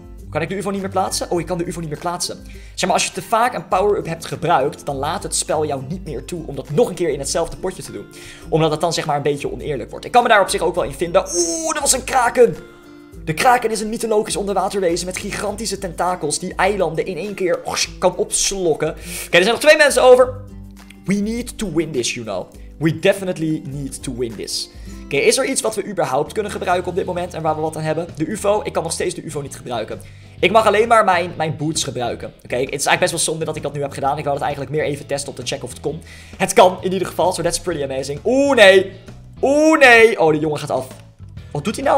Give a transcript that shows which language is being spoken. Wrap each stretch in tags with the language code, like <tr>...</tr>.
<nl>Kan ik de UFO niet meer plaatsen? Oh, ik kan de UFO niet meer plaatsen. Zeg maar, als je te vaak een power-up hebt gebruikt, dan laat het spel jou niet meer toe om dat nog een keer in hetzelfde potje te doen. Omdat het dan zeg maar een beetje oneerlijk wordt. Ik kan me daar op zich ook wel in vinden. Oeh, dat was een kraken! De kraken is een mythologisch onderwaterwezen met gigantische tentakels die eilanden in één keer kan opslokken. Oké, er zijn nog twee mensen over.</nl> <en>We need to win this, you know. We definitely need to win this.</en> <nl>Oké, is er iets wat we überhaupt kunnen gebruiken op dit moment en waar we wat aan hebben? De UFO? Ik kan nog steeds de UFO niet gebruiken. Ik mag alleen maar mijn boots gebruiken. Oké, het is eigenlijk best wel zonde dat ik dat nu heb gedaan. Ik wou het eigenlijk meer even testen om te checken of het kon. Het kan in ieder geval,</nl> <en>so that's pretty amazing.</en> <nl>Oeh, nee. Oeh, nee. Oh, de jongen gaat af. Wat doet hij nou?</nl>